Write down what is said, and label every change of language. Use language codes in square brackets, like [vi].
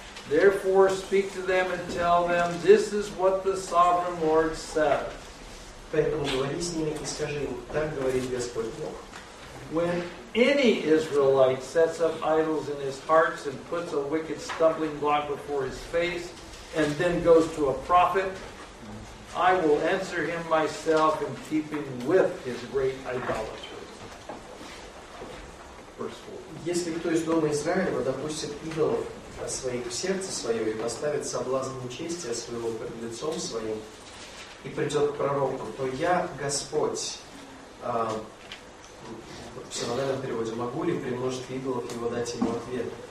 [en] Therefore, speak to them and tell them, this is what the Sovereign Lord says. [ru] Поэтому говори с ними и скажи им, так говорит Господь Бог. [en] When any Israelite sets up idols in his hearts and puts a wicked stumbling block before his face and then goes to a prophet, I will answer him myself in keeping with his great idolatry. Verse 4. [ru] Если кто из дома Израилева допустит идолов своих в сердце свое и поставит соблазн нечестия своего перед лицом своим, и придет к пророку, то я, Господь, в синодальном переводе, могу ли при множестве идолов его дать ему ответ?